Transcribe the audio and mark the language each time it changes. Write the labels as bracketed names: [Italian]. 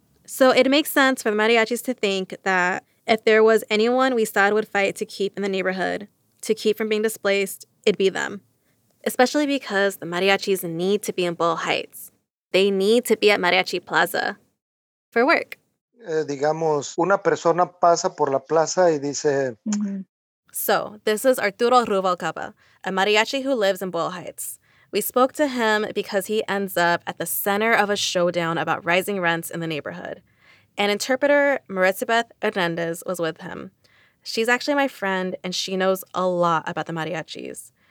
[English] So it makes sense for the mariachis to think that if there was anyone Wizard would fight to keep in the neighborhood, to keep from being displaced, it'd be them. Especially because the mariachis need to be in Boyle Heights. They need to be at Mariachi Plaza for work. [Spanish] Digamos, una persona pasa por la plaza y dice... [English] So, this is Arturo Rubalcaba, a mariachi who lives in Boyle Heights. We spoke to him because he ends up at the center of a showdown about rising rents in the neighborhood. An interpreter, Maritzabeth Hernandez, was with him. She's actually my friend, and she knows a lot about the mariachis.